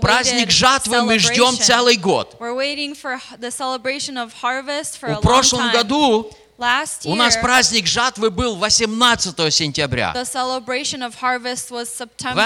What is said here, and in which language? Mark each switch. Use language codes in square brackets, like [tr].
[ru] праздник жатвы мы ждем целый год. [en] We're waiting for the celebration of harvest for a long time. [ru] В прошлом году [en] last year, [ru] у нас праздник жатвы был 18 сентября. [en] The celebration of harvest was September 18th.